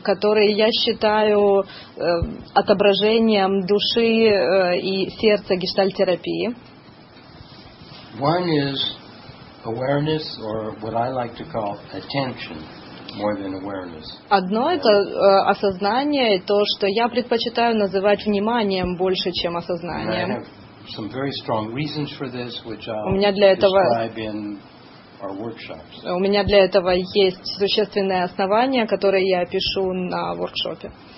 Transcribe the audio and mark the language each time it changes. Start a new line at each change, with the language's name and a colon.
Russian: Который я считаю отображением души и сердца гештальт-терапии.
English: One is awareness, or what I like to call attention, more than awareness.
Russian: Одно это осознание, то, что я предпочитаю называть вниманием больше, чем осознанием.
English: And I have some very strong reasons for this, which I'll describe in.
Russian: У меня для этого есть существенное основание, которое я опишу на воркшопе.